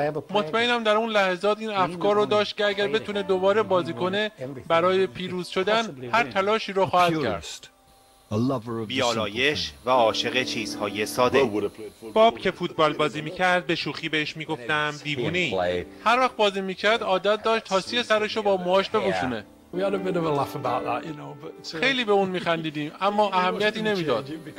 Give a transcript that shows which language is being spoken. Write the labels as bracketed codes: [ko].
[fa] مطمئنم در اون لحظات این افکار رو داشت که اگر بتونه دوباره بازی کنه برای پیروز شدن هر تلاشی رو خواهد کرد. بیالایش و عاشق چیزهای ساده. باب که فوتبال بازی میکرد به شوخی بهش میگفتم دیوونه ای. هر وقت بازی میکرد عادت داشت تاسی سرشو با موهاش ببوشونه. [en] We had a bit of a laugh about that, you know, but [fa] خیلی به اون می‌خندیدیم، اما اهمیتی نمی‌داد.